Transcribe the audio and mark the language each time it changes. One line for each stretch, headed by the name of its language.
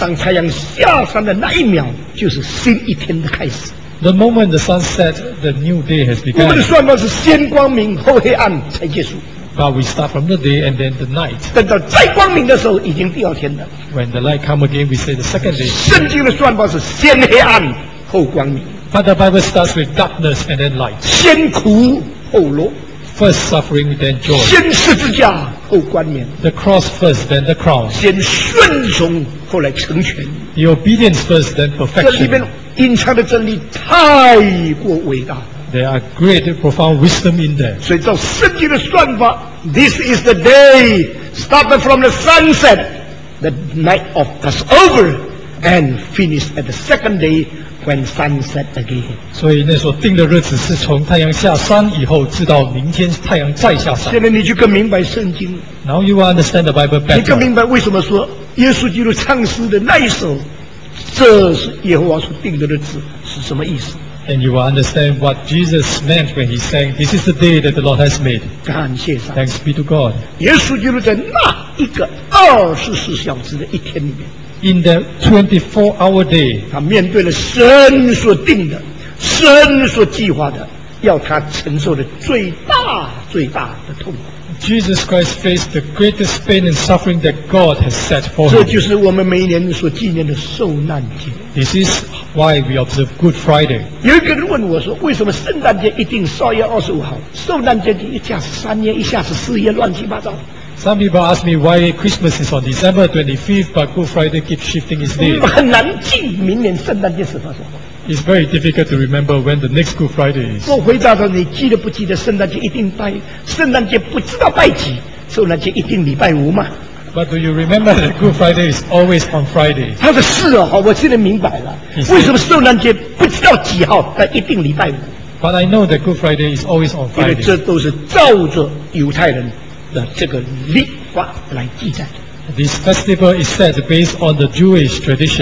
Chinese: 当太阳下山的那一秒就是新一天的开始。
English: The moment the sun set, the new day has begun.
Chinese: 我们的算法是先光明后黑暗才结束。
English: But we start from the day and then the night.
Chinese: 等到再光明的时候，已经第二天了。
English: When the light come again, we say the second day.
Chinese: 圣经的算法是先黑暗后光明。
English: But the Bible starts with darkness and then light.
Chinese: 先苦后乐。
English: First suffering, then joy.
Chinese: 先十字架后冠冕。
English: The cross first, then the crown.
Chinese: 先顺从后来成全。
English: The obedience first, then perfection.
Chinese: 这里面隐藏的真理太过伟大。
English: There are great profound wisdom in there.
Chinese: 所以照圣经的算法
English: ，This is the day started from the sunset. The night of was over and finished at the second day. When sunset again.
Chinese: 所以那所定的日子是从太阳下山以后，直到明天太阳再下山。现在你就更明白圣经。
English: Now you understand the Bible better.
Chinese: 你更明白为什么说耶稣基督唱诗的那一首，这是耶和华所定的日子是什么意思
English: ？And you will understand what Jesus meant when he sang, "This is the day that the Lord has made."
Chinese: 感谢上。
English: Thanks be to God.
Chinese: 耶稣基督在那一个24小时的一天里面。
English: In the 24-hour day,
Chinese: 他面对了神所定的、神所计划的，要他承受的最大、最大的痛苦。
English: Jesus Christ faced the greatest pain and suffering that God has set for him.
Chinese: 这就是我们每年所纪念的受难节。
English: This is why we observe Good Friday.
Chinese: 有一个人问我说：“为什么圣诞节一定12月25号，受难节一下是3月，一下是4月，乱七八糟？”
English: Some people ask me why Christmas is on December 25th, but Good Friday keeps shifting its date.
Chinese: 很难记明年圣诞节是什么。
English: It's very difficult to remember when the next Good Friday is.
Chinese: 我回答说：“你记得不记得圣诞节一定拜？圣诞节不知道拜几，受难节一定礼拜五吗？”
English: But do you remember that Good Friday is always on Friday?
Chinese: 他说是哦，我现在明白了，为什么受难节不知道几号，但一定礼拜五。
English: But I know that Good Friday is always on Friday.
Chinese: 因为这都是照着犹太人。的这个历法来记载的。
English: This festival is set based on the Jewish tradition.